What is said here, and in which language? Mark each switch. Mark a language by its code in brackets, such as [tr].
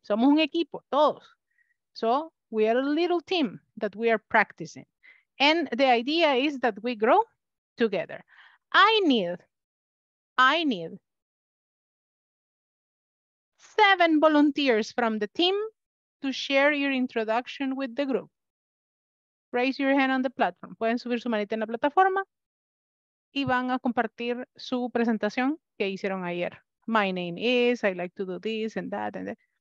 [es] Somos un equipo, todos. [en] So we are a little team that we are practicing. And the idea is that we grow together. I need 7 volunteers from the team to share your introduction with the group. Raise your hand on the platform. [es] Pueden subir su manita en la plataforma y van a compartir su presentación que hicieron ayer. [en] My name is, I like to do this and that and that.